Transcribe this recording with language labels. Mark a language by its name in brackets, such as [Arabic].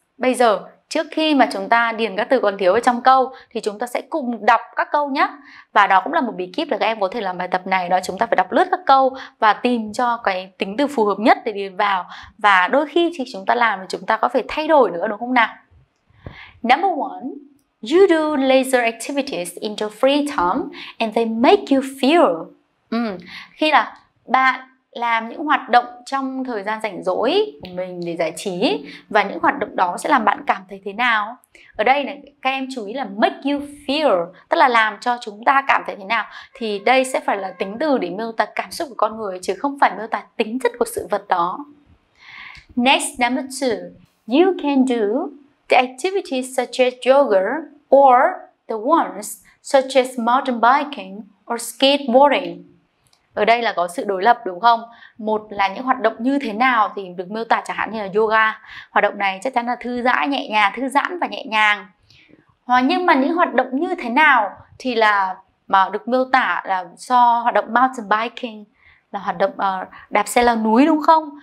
[Vietnamese] Bây giờ, trước khi mà chúng ta điền các từ còn thiếu ở trong câu thì chúng ta sẽ cùng đọc các câu nhé. Và đó cũng là một bí kíp là các em có thể làm bài tập này, đó chúng ta phải đọc lướt các câu và tìm cho cái tính từ phù hợp nhất để điền vào. Và đôi khi thì chúng ta làm thì chúng ta có phải thay đổi nữa đúng không nào? [English] Number one, You do leisure activities in your free time and they make you feel. [Vietnamese] Khi là bạn làm những hoạt động trong thời gian rảnh rỗi của mình để giải trí và những hoạt động đó sẽ làm bạn cảm thấy thế nào? Ở đây này, các em chú ý là [English] make you feel, [Vietnamese] tức là làm cho chúng ta cảm thấy thế nào, thì đây sẽ phải là tính từ để miêu tả cảm xúc của con người chứ không phải miêu tả tính chất của sự vật đó. [English] Next, number two, you can do the activities such as yoga or the ones such as mountain biking or skateboarding. [Vietnamese] Ở đây là có sự đối lập đúng không? Một là những hoạt động như thế nào thì được miêu tả chẳng hạn như là yoga. Hoạt động này chắc chắn là thư giãn nhẹ nhàng, thư giãn và nhẹ nhàng. Hoặc nhưng mà những hoạt động như thế nào thì là mà được miêu tả là so hoạt động mountain biking, là hoạt động đạp xe leo núi đúng không?